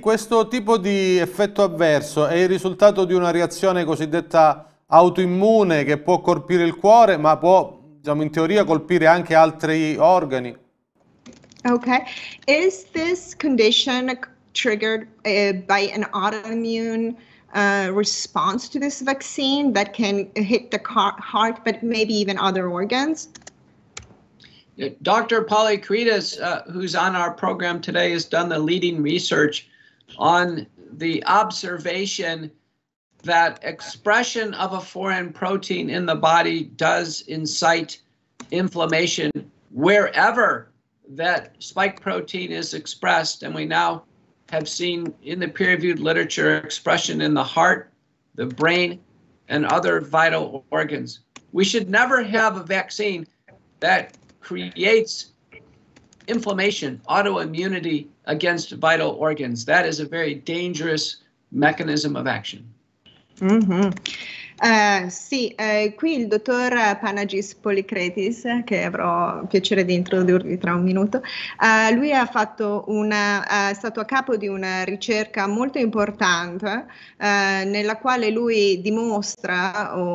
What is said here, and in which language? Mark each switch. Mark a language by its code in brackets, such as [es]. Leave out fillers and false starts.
[it] Questo tipo di effetto avverso è il risultato di una reazione cosiddetta autoimmune che può colpire il cuore, ma può, diciamo, in teoria colpire anche altri organi. Ok. [en] Is this condition triggered by an autoimmune response to this vaccine that can hit the heart, but maybe even other organs? Dr. Polykridis, who's on our program today, has done the leading research on the observation that expression of a foreign protein in the body does incite inflammation wherever that spike protein is expressed. And we now have seen in the peer-reviewed literature expression in the heart, the brain, and other vital organs. We should never have a vaccine that creates inflammation, autoimmunity against vital organs. That is a very dangerous mechanism of action. Mm-hmm. [it] Qui il dottor Panagis Polykridis, che avrò piacere di introdurvi tra un minuto, lui ha fatto è stato a capo di una ricerca molto importante nella quale lui dimostra